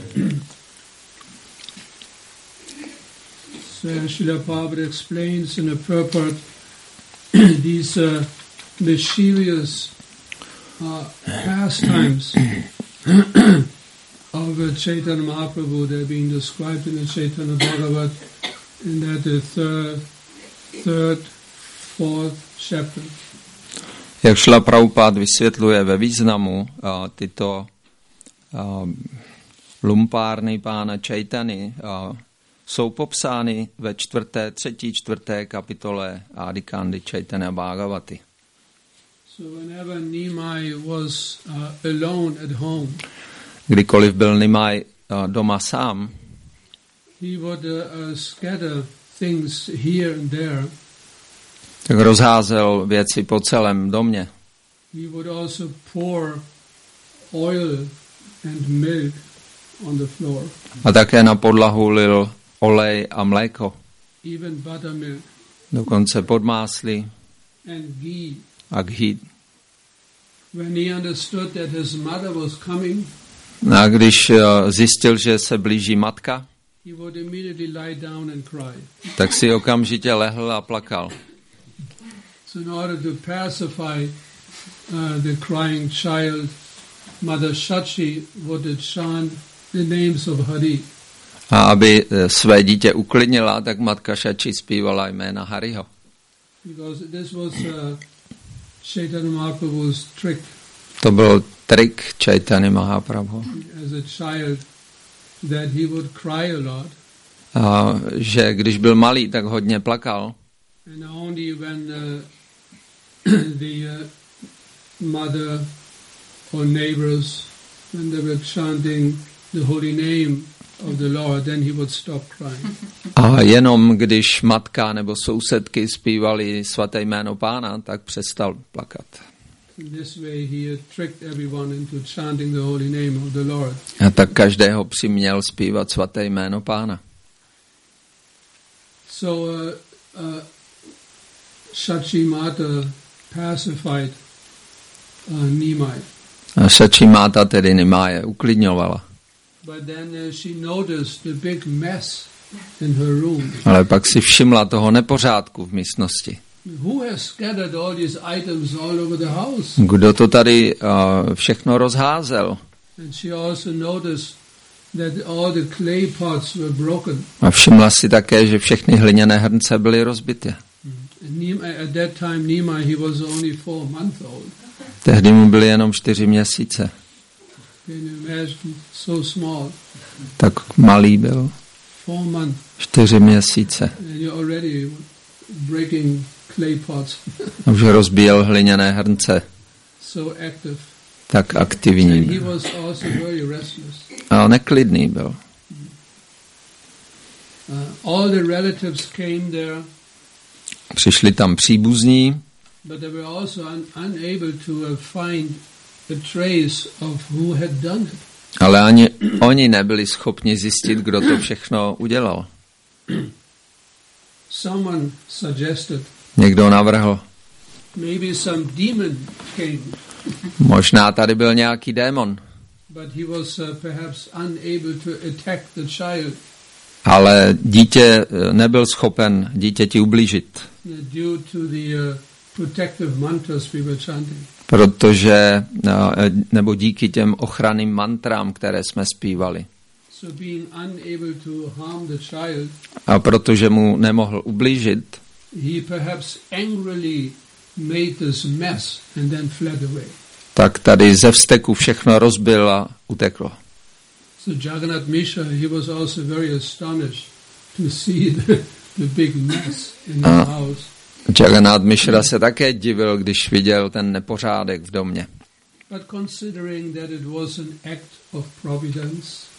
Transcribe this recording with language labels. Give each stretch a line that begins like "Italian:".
English: So Srila Prabhupada explains in a purport these mischievous pastimes of Chaitanya Mahaprabhu, they're being described in the Chaitanya Bhagavat, and that the fourth chapter.
Czech: Jak Šila Prabhupád vysvětluje ve významu tyto lumpárny pána Chaitany, jsou popsány ve třetí čtvrté kapitole Adi Kandy Chaitanya Bhagavaty.
English: So whenever Nimai was alone at home,
Czech: kdykoliv byl Nimai doma sám,
English: he would scatter things here and there.
Czech: Tak rozházel věci po celém domě.
English: He would also pour oil and milk on the floor.
Czech: A také na podlahu lil olej a mléko.
English: Even buttermilk.
Czech: Dokonce podmásli.
English: And ghee.
Czech: A ghee.
English: When he understood that his mother was coming,
Czech: a když zjistil, že se blíží matka,
English: he would immediately lie down and cry.
Czech: Tak si okamžitě lehl a plakal.
English: So in order to pacify the crying child, Mother Shachi would chant the names of Hari.
Czech: A aby své dítě uklidnila, tak matka Shachi zpívala jména Hariho.
English: Because this was Chaitanya Mahaprabhu's trick.
Czech: To byl trik Chaitanya Mahaprabhu.
English: As a child, that he would cry a lot.
Czech: A že když byl malý, tak hodně plakal.
English: And only when the mother or neighbors, when they were chanting the holy name of the Lord, then he would stop crying.
Czech: A jenom když matka nebo sousedky zpívali svaté jméno pána, tak přestal plakat.
English: In this way he had tricked everyone into chanting the holy name of the Lord.
Czech: A tak každého přiměl zpívat svaté jméno pána.
English: So Shachi Mata pacified Nimai.
Czech: A Shachi Mata tedy Nimai uklidňovala.
English: But then she noticed the big mess in her room.
Czech: Ale pak si všimla toho nepořádku v místnosti.
English: Who has scattered all these items all over the house?
Czech: Kdo to tady všechno rozházel?
English: And she also noticed that all the clay pots were broken.
Czech: A všimla si také, že všechny hliněné hrnce byly rozbité.
English: At that time Nimai, he was only 4 months old.
Czech: Tehdy mu byly jenom 4 měsíce.
English: Can you imagine, so small.
Czech: Tak malý byl.
English: 4 months.
Czech: 4 měsíce.
English: And you're already breaking clay pots.
Czech: Už rozbíjel hliněné hrnce.
English: So active.
Czech: Tak aktivní byl.
English: And he was also very restless.
Czech: A neklidný byl.
English: All the relatives came there.
Czech: Přišli tam příbuzní.
English: But they were also unable to find a trace of who had done it.
Czech: Ale ani oni nebyli schopni zjistit, kdo to všechno udělal.
English: Someone suggested.
Czech: Někdo navrhl.
English: Maybe some demon came.
Czech: Možná tady byl nějaký démon.
English: But he was perhaps unable to attack the child.
Czech: Ale dítě nebyl schopen dítěti ublížit.
English: Due to the protective mantras we were chanting.
Czech: Protože, nebo díky těm ochranným mantrám, které jsme zpívali.
English: So being unable to harm the child,
Czech: a protože mu nemohl ublížit,
English: he perhaps angrily made this mess and then fled away.
Czech: Tak tady ze vzteku všechno rozbil a uteklo.
English: So Jagannath Mishra, he was also very astonished to see the big mess in the house.
Czech: Jagannath Mishra se také divil, když viděl ten nepořádek v domě.
English: But considering that it was an act of providence,